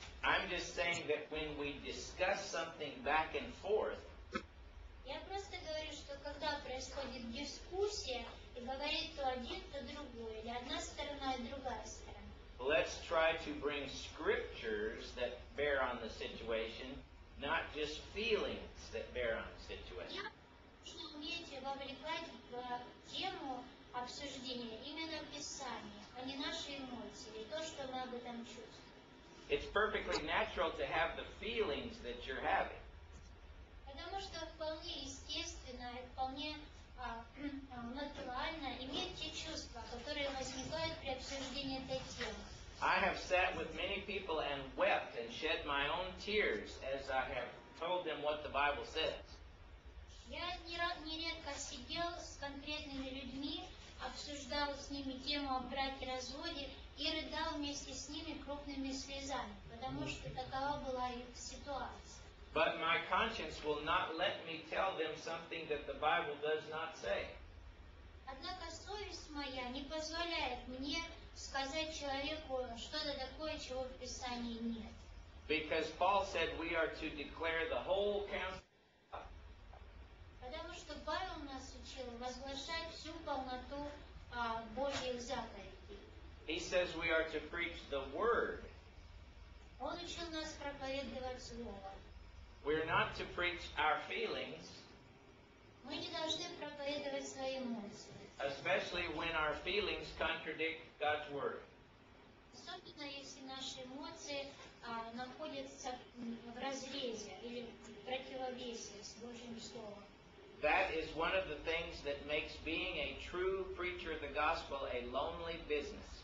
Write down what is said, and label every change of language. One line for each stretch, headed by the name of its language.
English: I'm just saying that when we discuss something back and forth,
Russian: я просто говорю, что когда происходит дискуссия, и говорит то один, то другой, или одна сторона, и другая сторона.
English: Let's try to bring scriptures that bear on the situation, not just feelings that bear on the situation.
Russian: Я умею вовлекать в тему обсуждения именно Писание, а не наши эмоции, или то, что мы об этом чувствуем.
English: It's perfectly natural to have the feelings that you're having.
Russian: Потому что вполне естественно, вполне натурально иметь те чувства, которые возникают при обсуждении этой темы.
English: I have sat with many people and wept and shed my own tears as I have told them what the Bible says.
Russian: Я нередко сидел с конкретными людьми, обсуждал с ними тему о браке и разводе, и рыдал вместе с ними крупными слезами, потому что такова была их ситуация.
English: But my conscience will not let me tell them something that the Bible does not say.
Russian: Однако совесть моя не позволяет мне сказать человеку что-то такое, чего в Писании нет.
English: Because Paul said we are to declare the whole counsel.
Russian: Потому что Павел нас учил возглашать всю полноту Божьих заповедей.
English: He says we are to preach the word.
Russian: Он учил нас проповедовать слово.
English: We are not to preach our feelings.
Russian: Мы не должны проповедовать свои эмоции.
English: Especially when our feelings contradict God's word.
Russian: Особенно если наши эмоции находится в разрезе или в противовесе с Божьим словом.
English: That is one of the things that makes being a true preacher of the gospel a lonely business.